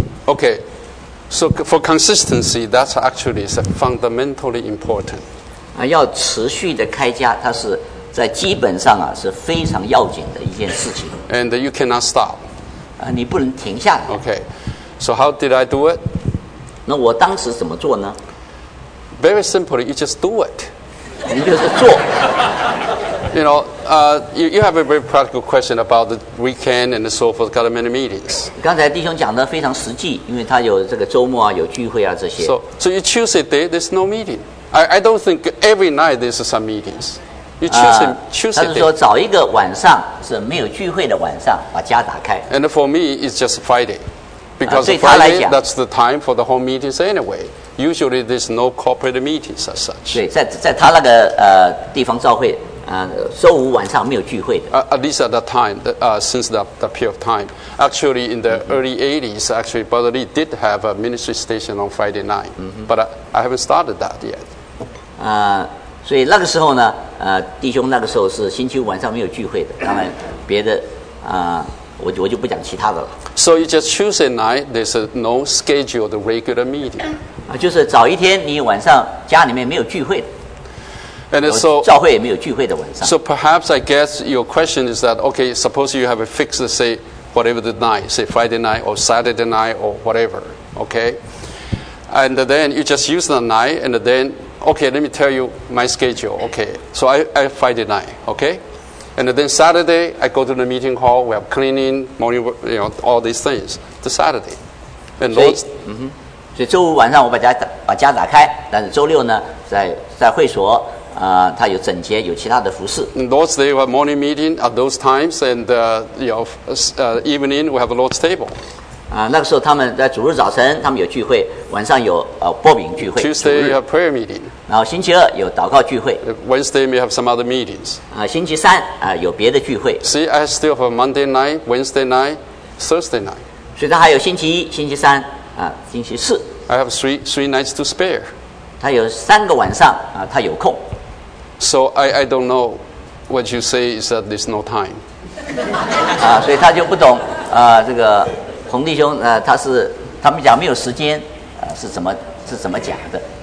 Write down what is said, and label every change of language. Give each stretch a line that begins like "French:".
English: Okay, so for consistency, that's actually is fundamentally important.
Chinese: 要持续的开家，它是在基本上啊是非常要紧的一件事情。
English: And you cannot stop.
Chinese: 你不能停下来。
English: Okay, so how did I do it?
Chinese: 那我当时怎么做呢？
English: Very simply, you just do it.
Chinese: 你就是做。
English: You know, you have a very practical question about the weekend and so forth. Got many meetings.
Chinese: 刚才弟兄讲的非常实际，因为他有这个周末啊，有聚会啊这些。
English: So you choose a day. There's no meeting. I don't think every night there's some meetings. You choose a day.
Chinese: 他是说找一个晚上是没有聚会的晚上，把家打开。
English: And for me, it's just Friday, because Friday that's the time for the home meetings anyway. Usually, there's no corporate meetings as such.
Chinese: 对，在他那个地方召会，周五晚上没有聚会的。
English: At least at that time, since that period of time, actually in the early 80s, actually Brother Lee did have a ministry station on Friday night. But I haven't started that yet.
Chinese: 所以那个时候呢，弟兄那个时候是星期五晚上没有聚会的。当然，别的我就不讲其他的了。
English: So you just choose a night. There's no scheduled regular meeting.
Chinese: 就是找一天你晚上家里面没有聚会的。
English: And so
Chinese: 教会也没有聚会的晚上。
English: So perhaps I guess your question is that okay. Suppose you have a fixed, say whatever the night, say Friday night or Saturday night or whatever. Okay. And then you just use the night. And then okay, let me tell you my schedule. Okay. So I Friday night. Okay. And then Saturday, I go to the meeting hall. We have cleaning, morning, you know, all these things. The Saturday. And so, Lord's, mm-hmm.
Chinese: 所以周五晚上我把家打开，但是周六呢，在会所，它有整洁，有其他的服事。
English: Lord's Day, we have morning meeting at those times, and evening we have a Lord's table.
Chinese: 那个时候他们在主日早晨他们有聚会，晚上有报名聚会。
English: Tuesday you have prayer meeting.
Chinese: 然后星期二有祷告聚会。
English: Wednesday may have some other meetings.
Chinese: 星期三有别的聚会。
English: See, I still have a Monday night, Wednesday night, Thursday night.
Chinese: 所以他还有星期一、星期三星期四。
English: I have three nights to spare.
Chinese: 他有三个晚上他有空。
English: So I don't know what you say is that there's no time.
Chinese: 所以他就不懂这个。洪弟兄他们讲没有时间是怎么讲的。